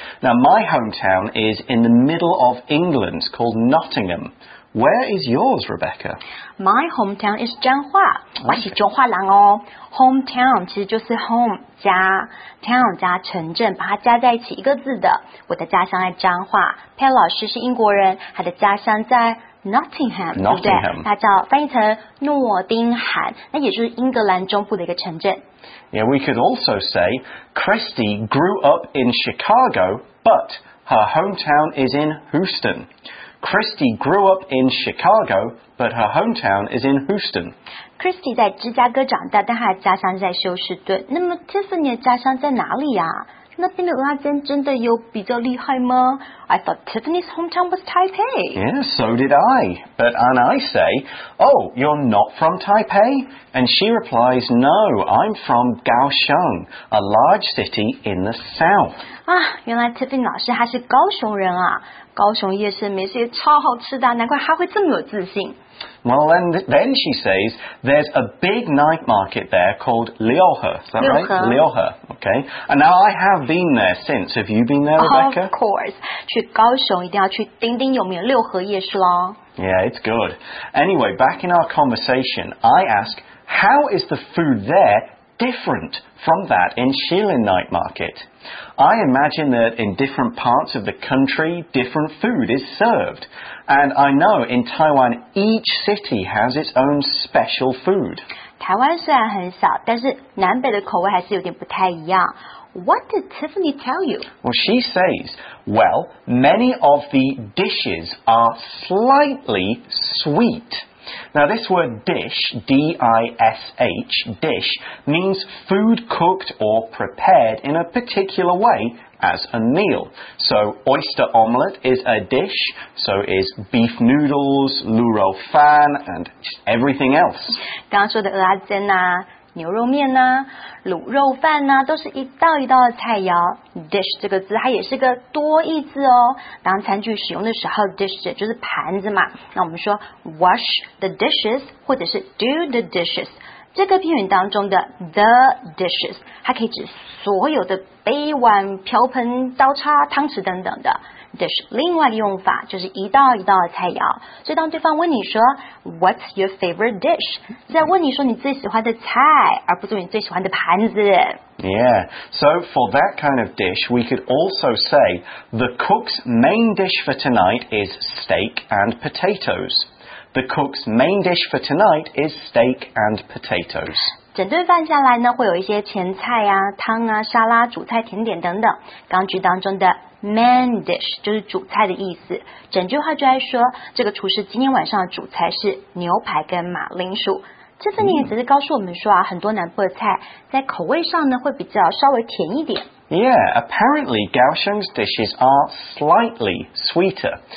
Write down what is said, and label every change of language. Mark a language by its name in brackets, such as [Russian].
[English] Now, my hometown is in the middle of England, called Nottingham. Where is yours, Rebecca? My hometown is [Chinese] 彰化，我是彰化人哦。 Hometown 其实就是 home 加 town 加城镇，把它加在一起一个字的。我的家乡在彰化。佩老师是英国人，他的家乡在 Nottingham， 对不对？他叫翻译成诺丁汉，那也就是英格兰中部的一个城镇。 [English] Yeah, we could also say Christy grew up in Chicago, but her hometown is in Houston. Christy grew up in Chicago, but her hometown is in Houston. [Chinese] Christy 在芝加哥长大，但她的家乡在休斯顿。那么 Tiffany 的家乡在哪里呀？那边的蚵仔煎真的有比较厉害吗？ [English] I thought Tiffany's hometown was Taipei. Yeah, so did I. But and I say, oh, you're not from Taipei? And she replies, no, I'm from Kaohsiung, a large city in the south. [Chinese] 啊，原来 Tiffany 老师她是高雄人啊。高雄夜市美食也超好吃的，难怪她会这么有自信。 [English] Well, then she says, there's a big night market there called Liohe. Is that right? Liohe. Okay. And now I have been there since. Have you been there, Rebecca? Of course. [Chinese] 去高雄一定要去鼎鼎有名的六合夜市咯。 [English] Yeah, it's good. Anyway, back in our conversation, I ask, how is the food there different from that in Shilin night market? I imagine that in different parts of the country, different food is served. And I know in Taiwan, each city has its own special food. [Chinese] 台湾虽然很小，但是南北的口味还是有点不太一样。 [English] What did Tiffany tell you? Well, she says, well, many of the dishes are slightly sweet. Now, this word dish, D-I-S-H, dish, means food cooked or prepared in a particular way. As a meal. So oyster omelette is a dish, so is beef noodles, lu rou fan, and everything else. [Chinese] 刚刚说的蚵仔煎啊，牛肉面啊，卤肉饭啊，都是一道一道的菜肴。 Dish 这个字它也是个多义字哦。当餐具使用的时候 ，dish 也就是盘子嘛。那我们说 [English] wash the dishes [Chinese] 或者是 [English] do the dishes。 [Chinese] 这个片语当中的 the dishes， 它可以指所有的杯碗瓢盆刀叉汤匙等等的 dish。另外的用法就是一道一道的菜肴。所以当对方问你说 [English] What's your favorite dish？ [Chinese] 在问你说你最喜欢的菜，而不是你最喜欢的盘子。 [English] Yeah, so for that kind of dish, we could also say the cook's main dish for tonight is steak and potatoes. The cook's main dish for tonight is steak and potatoes. [Chinese] 整顿饭下来呢，会有一些前菜啊、汤啊、沙拉、主菜、甜点等等。刚句当中的 main dish 就是主菜的意思。整句话就在说，这个厨师今天晚上的主菜是牛排跟马铃薯。这份例子是告诉我们说啊，很多南部的菜在口味上呢，会比较稍微甜一点。 [English] Yeah, apparently Kaohsiung's dishes are slightly sweeter.